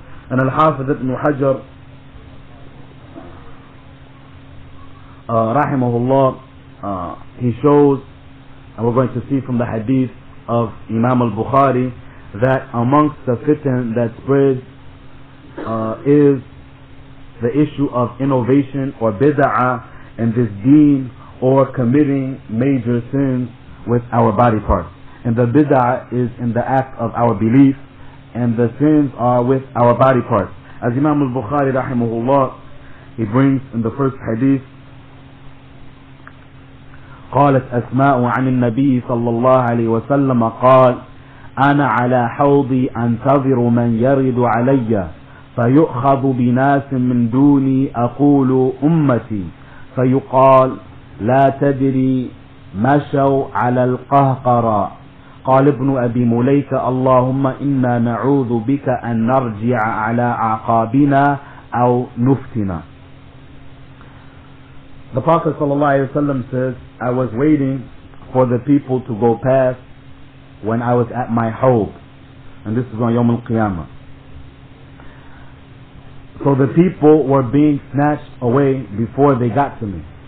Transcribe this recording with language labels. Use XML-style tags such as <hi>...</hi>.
<en>And Al-Hafidh ibn Hajar rahimahullah, he shows, and we're going to see from the hadith of Imam al-Bukhari, that amongst the fitan that spreads is the issue of innovation or bid'ah in this deen, or committing major sins with our body parts. And the bid'ah is in the act of our belief, and the sins are with our body parts. As Imam al-Bukhari rahimahullah, he brings in the first hadith,</en> <ar>قالت أسماء عن النبي صلى الله عليه وسلم قال أنا على حوضي أنتظر من يرد علي فيؤخذ بناس من دوني أقول أمتي فيقال لا تدري مشوا على القهقرة. قال ابن أبي مليكة اللهم إنا نعوذ بك أن نرجع على أعقابنا أو نفتنا.</ar> <en>The Prophet صلى الله عليه وسلم says, I was waiting for the people to go past when I was at my hawd, and this is on Yawm al-Qiyamah. So the people were being snatched away before they got to me.</en>